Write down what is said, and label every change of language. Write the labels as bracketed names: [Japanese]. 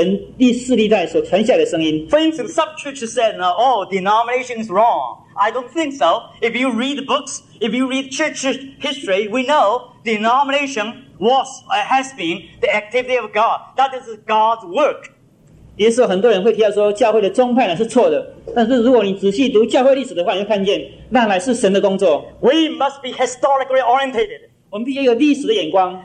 [Chinese] 所以我们要劝大家能够多读一些其他的书，因为这是神历世历代所传下来的声音。 [English] For instance, some churches said, denomination is wrong. I don't think so. If you read the books, if you read church history, we know denomination was or has been the activity of God. That is God's work. [Chinese] 也是有很多人会提到说教会的宗派呢是错的，但是如果你仔细读教会历史的话，你会看见那乃是神的工作。 [English] We must be historically orientated. [Chinese] 我们必须有历史的眼光。